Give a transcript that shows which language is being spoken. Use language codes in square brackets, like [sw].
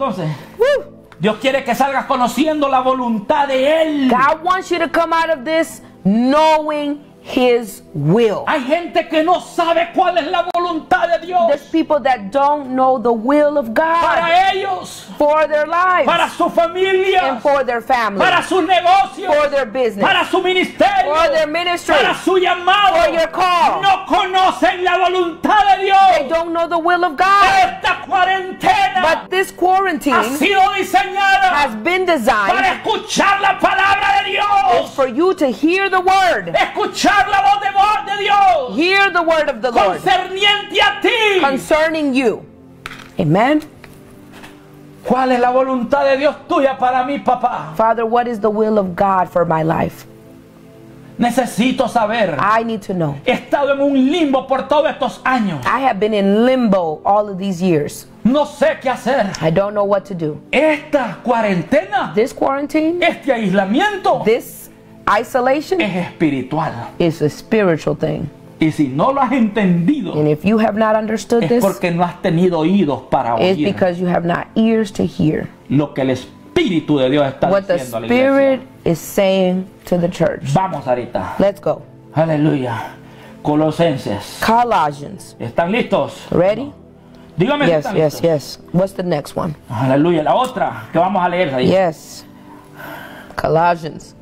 [es] Entonces, Dios quiere que salgas conociendo la voluntad de Él. [en] God wants you to come out of this knowing His will. [es] Hay gente que no sabe cuál es la voluntad de Dios. [en] There's people that don't know the will of God. [es] Para ellos. [en] For their lives. [es] Para su familia. [en] And for their family. [es] Para sus negocios. [en] For their business. [es] Para su ministerio. [en] For their ministry. [es] Para su llamado. [en] For your call. [es] No conocen la voluntad de Dios. [en] They don't know the will of God. [es] Esta cuarentena. [en] But this quarantine. [es] Ha sido diseñada. [en] Has been designed. [es] Para escuchar la palabra de Dios. [en] For you to hear the word. [es] Escuchar. La voz de Dios. [en] Hear the word of the [es] concerniente [en] Lord. [es] A ti. [en] Concerning you. Amen. [es] ¿Cuál es la voluntad de Dios tuya para mí, papá? [en] Father, what is the will of God for my life? [es] Necesito saber. [en] I need to know. [es] He estado en un limbo por todos estos años. [en] I have been in limbo all of these years. [es] No sé qué hacer. [en] I don't know what to do. [es] Esta cuarentena. [en] This quarantine. [es] Este aislamiento. [en] This isolation [es] es espiritual. [en] Is a spiritual thing. [es] Y si no lo has entendido, [en] and if you have not understood [es] this, porque no has tenido oídos para oír. [en] It's because you have not ears to hear. [es] Lo que el Espíritu de Dios está diciendo a la iglesia. [en] What the Spirit is saying to the church. [es] Vamos ahorita. [en] Let's go. [es] Aleluya. Colosenses. [en] Colossians. [es] ¿Están listos? [en] Ready? [es] Dígame. [en] Yes, yes, yes. What's the next one? [es] Aleluya. La otra que vamos a leer ahí. [en] Yes. Colossians.